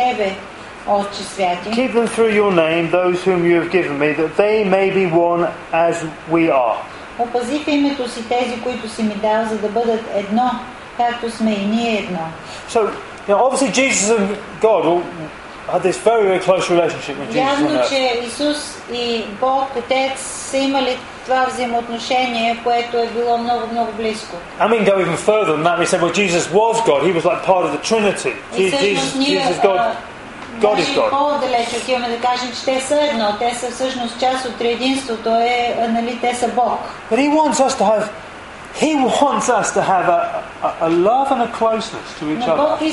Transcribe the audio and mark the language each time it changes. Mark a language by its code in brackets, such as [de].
[en] Keep them through your name, those whom you have given me, that they may be one as we are. So, you know, obviously Jesus and God will had this very, very close relationship with Jesus. [bg] Явно, че Исус и Бог Отец са имали това взаимоотношение, което е било много, много близко. [en] I mean, go even further than that. We said, well, Jesus was God. He was like part of the Trinity. Jesus, God. God is God. [bg] По-далеч отиваме да кажем, че те са едно. Те са всъщност част от триединството. Те са Бог. [en] But He wants us to have. He wants us to have a love and a closeness to each other.